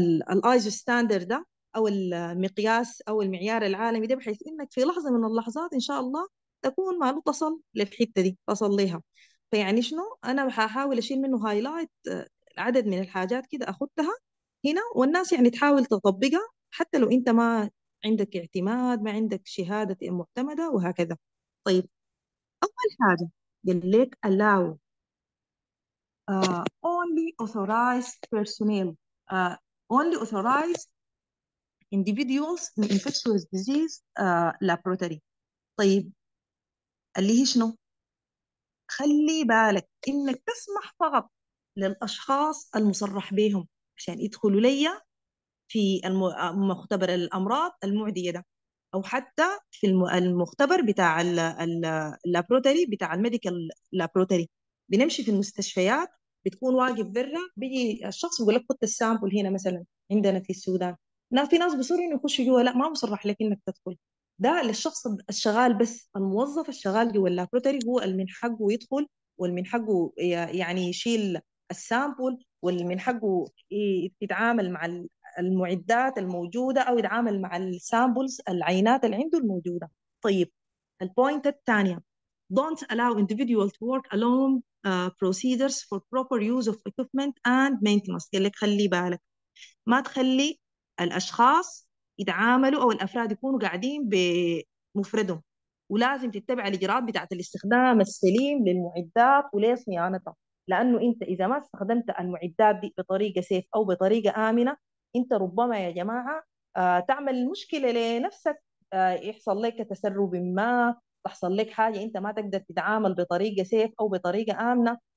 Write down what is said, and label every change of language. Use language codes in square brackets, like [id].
[ar] الايزو ستاندرد ده او المقياس او المعيار العالمي ده، بحيث انك في لحظه من اللحظات ان شاء الله تكون ما تصل للحته دي تصل ليها. فيعني شنو، انا هحاول اشيل منه هايلايت عدد من الحاجات كده اخذتها هنا، والناس يعني تحاول تطبقها حتى لو انت ما عندك اعتماد، ما عندك شهاده معتمده وهكذا. طيب أول حاجة قال لك [en] allow only authorized personnel only authorized individuals in infectious disease laboratory. [ar] طيب قال لي شنو؟ خلي بالك إنك تسمح فقط للأشخاص المصرح بهم عشان يدخلوا لي في مختبر الأمراض المعدية ده، او حتى في المختبر بتاع اللابروتري بتاع الميديكال لابروتري. بنمشي في المستشفيات بتكون واقف برا، بيجي الشخص بيقول لك خد السامبل هنا مثلا عندنا في السودان، لا في ناس بيصروا انه يخشوا جوا، لا ما مصرح لك انك تدخل، ده للشخص الشغال بس، الموظف الشغال جوا اللابروتري هو اللي من حقه يدخل، واللي من حقه يعني يشيل السامبل، واللي من حقه يتعامل مع المعدات الموجودة أو يتعامل مع السامبلز العينات اللي عنده الموجودة. طيب البوينت الثانية، [en] don't allow individual to work alone procedures for proper use of equipment and maintenance. [ar] قال لك خلي بالك ما تخلي الأشخاص يتعاملوا أو الأفراد يكونوا قاعدين بمفردهم، ولازم تتبع الإجراءات بتاعة الاستخدام السليم للمعدات ولصيانتها، لأنه أنت إذا ما استخدمت المعدات دي بطريقة سيف أو بطريقة آمنة، أنت ربما يا جماعة تعمل مشكلة لنفسك، يحصل لك تسرب، ما تحصل لك حاجة، أنت ما تقدر تتعامل بطريقة سيف أو بطريقة آمنة.